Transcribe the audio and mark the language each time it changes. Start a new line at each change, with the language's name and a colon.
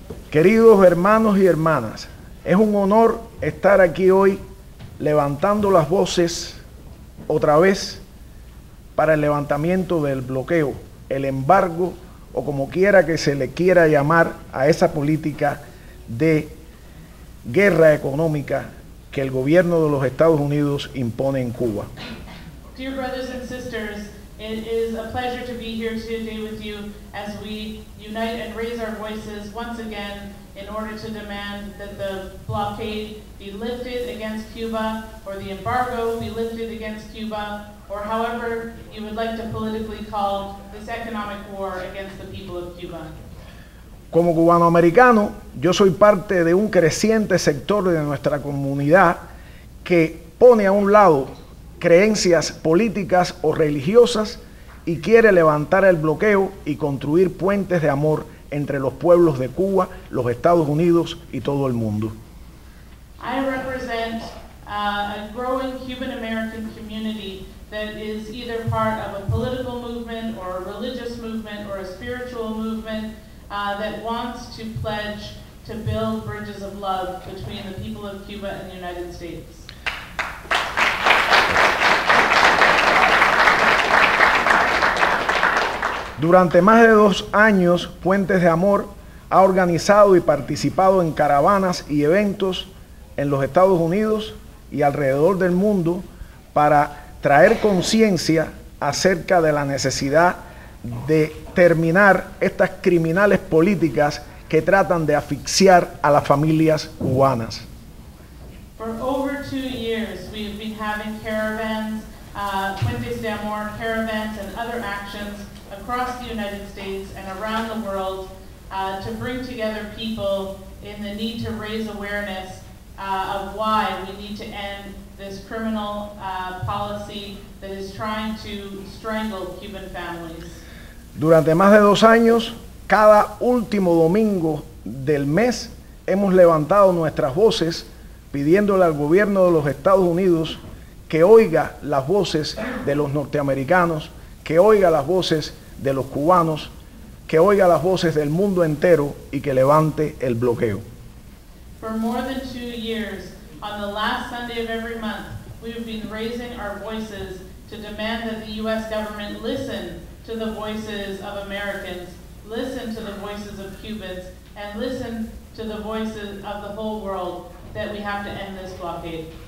Spanish: Queridos hermanos y hermanas, es un honor estar aquí hoy levantando las voces otra vez para el levantamiento del bloqueo, el embargo, o como quiera que se le quiera llamar a esa política de guerra económica que el gobierno de los Estados Unidos impone en Cuba.
English: Dear brothers and sisters, it is a pleasure to be here today with you as we unite and raise our voices once again in order to demand that the blockade be lifted against Cuba, or the embargo be lifted against Cuba, or however you would like to politically call this economic war against the people of Cuba.
Spanish: Como cubanoamericano, yo soy parte de un creciente sector de nuestra comunidad que pone a un lado creencias políticas o religiosas y quiere levantar el bloqueo y construir puentes de amor entre los pueblos de Cuba, los Estados Unidos y todo el mundo.
English: I represent a growing Cuban-American community that is either part of a political movement or a religious movement or a spiritual movement that wants to pledge to build bridges of love between the people of Cuba and the United States.
Spanish: Durante más de dos años, Puentes de Amor ha organizado y participado en caravanas y eventos en los Estados Unidos y alrededor del mundo para traer conciencia acerca de la necesidad de terminar estas criminales políticas que tratan de asfixiar a las familias cubanas.
English: For over 2 years, we have been having caravans, Puentes de Amor caravans and other actions across the United States and around the world to bring together people in the need to raise awareness of why we need to end this criminal policy that is trying to strangle Cuban families.
Spanish: Durante más de dos años, cada último domingo del mes, hemos levantado nuestras voces pidiéndole al gobierno de los Estados Unidos que oiga las voces de los norteamericanos, que oiga las voces de los cubanos, que oiga las voces del mundo entero y que levante el bloqueo.
English: For more than 2 years, on the last Sunday of every month, we have been raising our voices to demand that the U.S. government listen to the voices of Americans, listen to the voices of Cubans, and listen to the voices of the whole world, that we have to end this blockade.